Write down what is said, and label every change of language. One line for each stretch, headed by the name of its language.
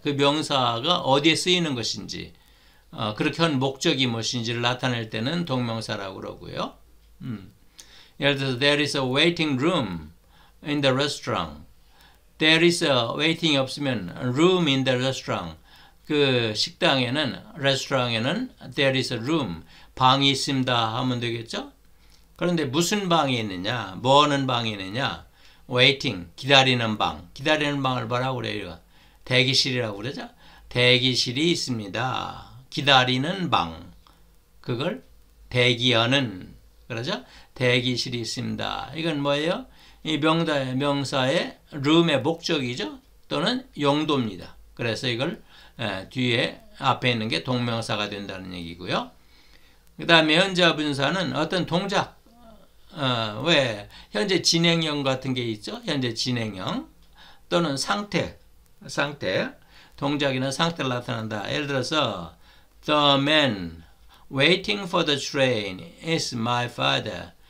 Korean: 그 명사가 어디에 쓰이는 것인지 그렇게 한 목적이 무엇인지를 나타낼 때는 동명사라고 그러고요. 예를 들어서
English: there is a waiting room in the restaurant. There is a waiting 없으면 room in the restaurant.
Korean: 그 restaurant에는
English: there is a room,
Korean: 방이 있습니다 하면 되겠죠? 그런데 무슨 방이 있느냐? 뭐 하는 방이 있느냐?
English: waiting,
Korean: 기다리는 방. 기다리는 방을 뭐라고 그래요? 대기실이라고 그러죠? 대기실이 있습니다. 기다리는 방. 그걸 대기하는, 그러죠? 대기실이 있습니다. 이건 뭐예요? 이 명사의 room의 목적이죠? 또는 용도입니다. 그래서 이걸 뒤에 앞에 있는 게 동명사가 된다는 얘기고요. 그 다음에 현재 분사는 어떤 동작, 왜 현재 진행형 같은 게 있죠? 현재 진행형 또는 상태, 동작이나 상태를 나타낸다. 예를 들어서
English: The man waiting for the train is my father.